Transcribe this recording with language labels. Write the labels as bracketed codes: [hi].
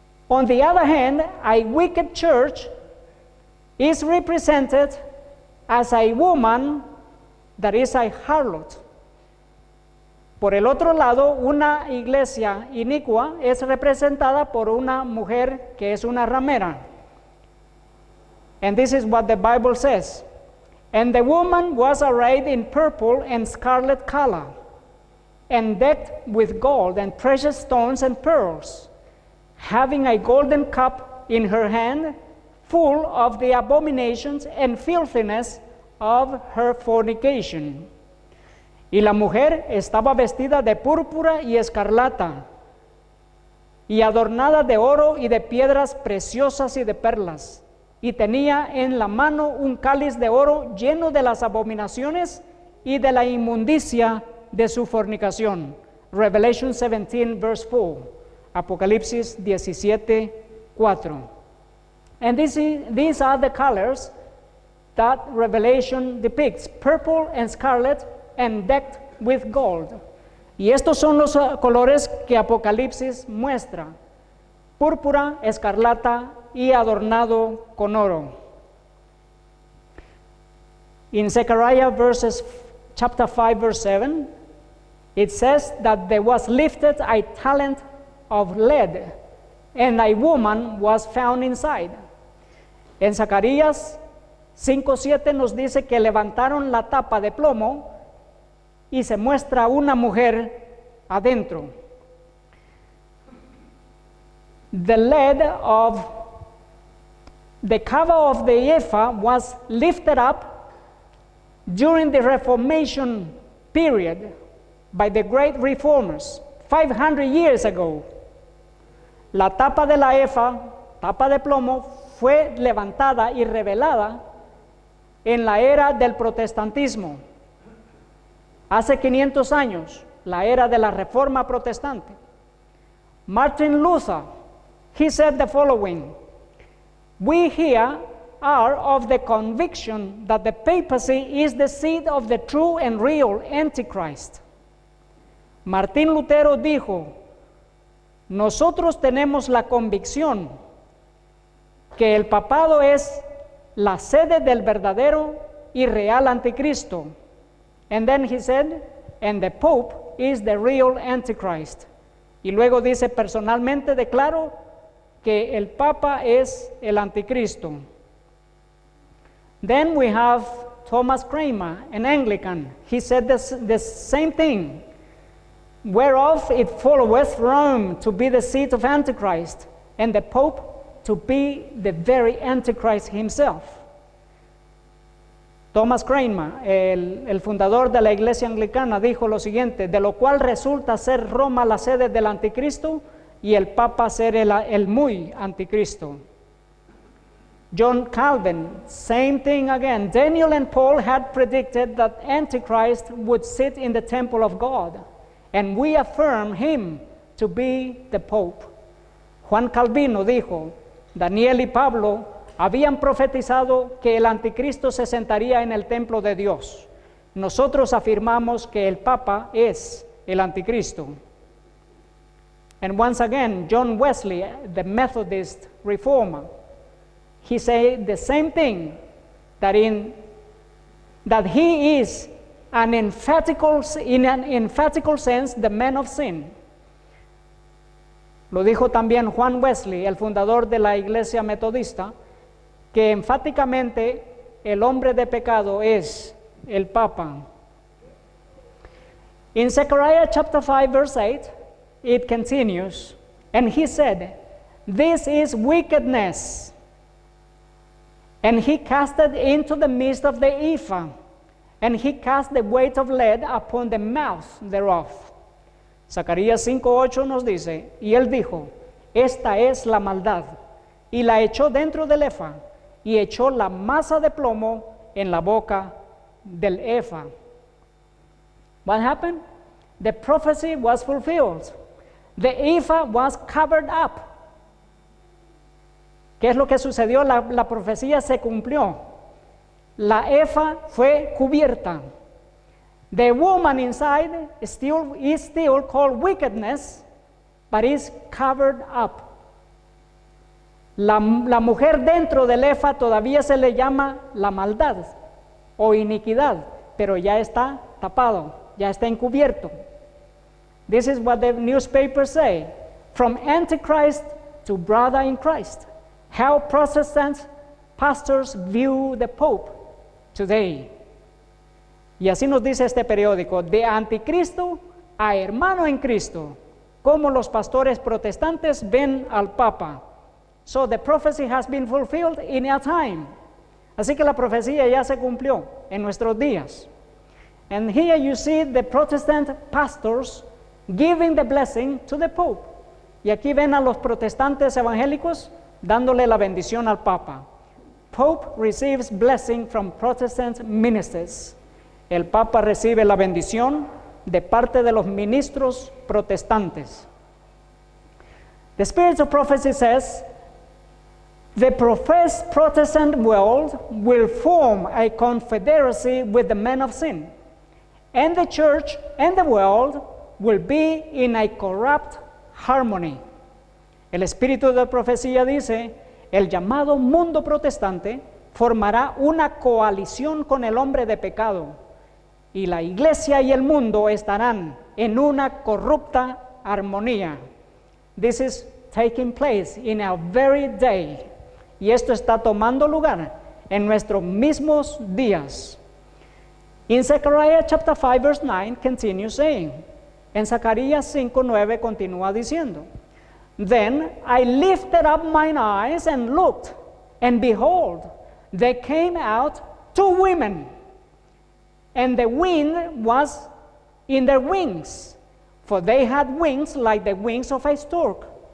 [en] On the other hand, a wicked church is represented as a woman that is a harlot. [es] Por el otro lado, una iglesia inicua es representada por una mujer que es una ramera. [en] And this is what the Bible says. And the woman was arrayed in purple and scarlet color, and decked with gold and precious stones and pearls, having a golden cup in her hand, full of the abominations and filthiness of her fornication. [es] Y la mujer estaba vestida de púrpura y escarlata, y adornada de oro y de piedras preciosas y de perlas, y tenía en la mano un cáliz de oro lleno de las abominaciones y de la inmundicia de su fornicación. [en] Revelation 17, verse 4. [es] Apocalipsis 17, 4. [en] And these are the colors that Revelation depicts, purple and scarlet, and decked with gold. [es] Y estos son los colores que Apocalipsis muestra: púrpura, escarlata y adornado con oro. [en] In Zechariah verses chapter 5 verse 7, it says that there was lifted a talent of lead, and a woman was found inside. [es] En Zacarías 5:7 nos dice que levantaron la tapa de plomo y se muestra una mujer adentro. [en] The lead of the cover of the ephah was lifted up during the Reformation period by the great reformers 500 years ago. [es] La tapa de la ephah, tapa de plomo, fue levantada y revelada en la era del protestantismo. Hace 500 años, la era de la reforma protestante. [en] Martin Luther, he said the following: we here are of the conviction that the papacy is the seat of the true and real Antichrist. [es] Martín Lutero dijo: nosotros tenemos la convicción que el papado es la sede del verdadero y real anticristo. [en] And then he said, and the Pope is the real Antichrist. [es] Y luego dice, personalmente declaro que el Papa es el anticristo. [en] Then we have Thomas Cranmer, an Anglican. He said the same thing. Whereof it followeth Rome to be the seat of Antichrist, and the Pope to be the very Antichrist himself. [es] Thomas Cranmer, el fundador de la Iglesia Anglicana, dijo lo siguiente: de lo cual resulta ser Roma la sede del Anticristo y el Papa ser el muy Anticristo. [en] John Calvin, same thing again. Daniel and Paul had predicted that Antichrist would sit in the temple of God, and we affirm him to be the Pope. [es] Juan Calvino dijo: Daniel y Pablo habían profetizado que el Anticristo se sentaría en el templo de Dios. Nosotros afirmamos que el Papa es el Anticristo. [en] And once again, John Wesley, the Methodist reformer, he said the same thing, that he is in an emphatical sense the man of sin. [es] Lo dijo también Juan Wesley, el fundador de la Iglesia Metodista, que enfáticamente el hombre de pecado es el Papa. [en] In Zechariah chapter 5 verse 8, it continues, and he said, this is wickedness. And he cast it into the midst of the ephah, and he cast the weight of lead upon the mouth thereof. [es] Zacarías 5:8 nos dice, y él dijo, esta es la maldad, y la echó dentro del ephah, y echó la masa de plomo en la boca del Efa. [en] What happened? The prophecy was fulfilled. The Efa was covered up. [es] ¿Qué es lo que sucedió? La profecía se cumplió. La Efa fue cubierta. [en] The woman inside is still called wickedness, but is covered up. [es] La mujer dentro del Efa todavía se le llama la maldad o iniquidad, pero ya está tapado, ya está encubierto. [en] This is what the newspapers say. From Antichrist to brother in Christ, how Protestant pastors view the Pope today. [es] Y así nos dice este periódico, de Anticristo a hermano en Cristo, como los pastores protestantes ven al Papa. [en] So the prophecy has been fulfilled in our time. [es] Así que la profecía ya se cumplió en nuestros días. [en] And here you see the Protestant pastors giving the blessing to the Pope. [es] Y aquí ven a los protestantes evangélicos dándole la bendición al Papa. [en] Pope receives blessing from Protestant ministers. [es] El Papa recibe la bendición de parte de los ministros protestantes. [en] The spirit of prophecy says, the professed Protestant world will form a confederacy with the men of sin, and the church and the world will be in a corrupt harmony. [es] El espíritu de profecía dice, el llamado mundo protestante formará una coalición con el hombre de pecado, y la iglesia y el mundo estarán en una corrupta armonía. [en] This is taking place in our very day. [es] Y esto está tomando lugar en nuestros mismos días. [en] In Zechariah chapter 5 verse 9 continues saying, [es] en Zacarías 5:9 continúa diciendo, [en] then I lifted up mine eyes and looked, and behold, there came out two women, and the wind was in their wings, for they had wings like the wings of a stork.